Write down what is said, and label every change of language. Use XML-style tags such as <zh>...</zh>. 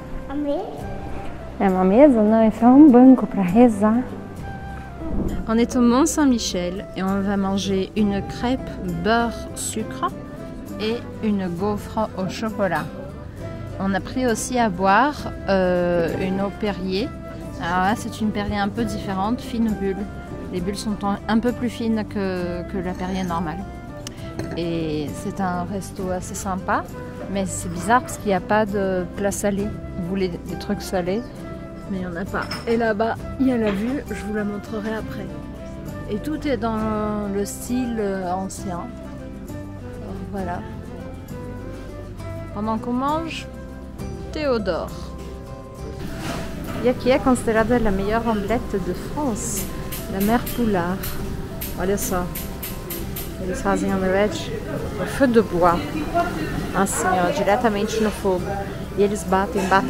<pt>É uma mesa? Não, esse é um banco para rezar.</pt> <fr>On est au Mont-Saint-Michel et on va manger une crêpe beurre sucre et une gaufre au chocolat. On a pris aussi à boire une eau Perrier. Alors là, c'est une Perrier un peu différente, fine bulle. Les bulles sont un peu plus fines que la Perrier normale. Et c'est un resto assez sympa, mais c'est bizarre parce qu'il n'y a pas de plat salé. Vous voulez des trucs salés, mais il n'y en a pas. Et là-bas, il y a la vue, je vous la montrerai après. Et tout est dans le style ancien. Voilà. Pendant qu'on mange, Théodore. Il y a qui est considérée la meilleure omelette de France, la mère Poulard. Voilà ça.</fr> <pt>Ele fazem omelete</pt> <fr>au feu de bois.</fr> <pt>Assim, ó, diretamente no fogo. E eles batem.</pt>